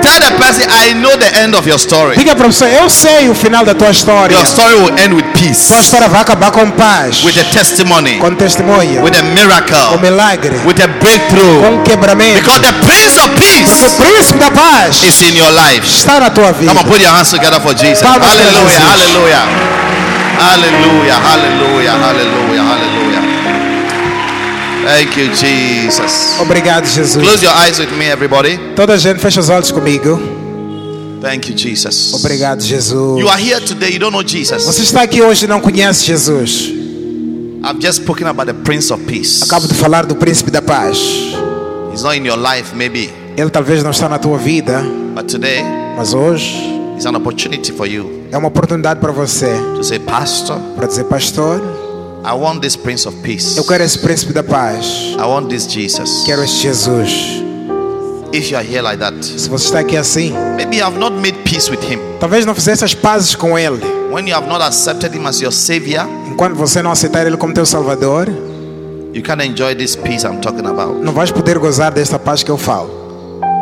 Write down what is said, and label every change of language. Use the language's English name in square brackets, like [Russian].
[English] Tell the person, I know the end of your story. [Portuguese] Diga para o Senhor, eu sei o final da tua história. [English] Your story will end with peace. [Portuguese] Tua história vai acabar com paz. [English] With a testimony. [Portuguese] Com testemunho. [English] With a miracle. [Portuguese] Com milagre. [English] With a breakthrough. [Portuguese] Com quebramento. [English] Because the Prince of Peace. [Portuguese] Porque o Príncipe da Paz. [English] Is in your life. [Portuguese] Está na tua vida. [English] Come on, put your hands together for Jesus. [Portuguese] Palmas. [English] Hallelujah. Jesus. Hallelujah. Hallelujah. Hallelujah. Hallelujah. Hallelujah. Thank you, Jesus. [Portuguese] Obrigado, Jesus. [English] Close your eyes with me, everybody. [Portuguese] Toda gente fecha os olhos comigo. [English] Thank you, Jesus. [Portuguese] Obrigado, Jesus. [English] You are here today. You don't know Jesus. [Portuguese] Você está aqui hoje e não conhece Jesus. [English] I've just spoken about the Prince of Peace. [Portuguese] Acabo de falar do Príncipe da Paz. [English] He's not in your life, maybe. [Portuguese] Ele talvez não está na tua vida. [English] But today. [Portuguese] Mas hoje. [English] It's an opportunity for you. [Portuguese] É uma oportunidade para você. [English] To say, Pastor. [Portuguese] Para dizer, Pastor. [English] I want this Prince of Peace. [Portuguese] Eu quero esse Príncipe da Paz. [English] I want this Jesus. [Portuguese] Quero esse Jesus. [English] If you are here like that, [Portuguese] se você está aqui assim, [English] maybe you have not made peace with him. [Portuguese] Talvez não fizesse as pazes com ele. [English] When you have not accepted him as your savior, [Portuguese] enquanto você não aceitar ele como teu Salvador, [English] you can't enjoy this peace I'm talking about. [Portuguese] Não vais poder gozar desta paz que eu falo.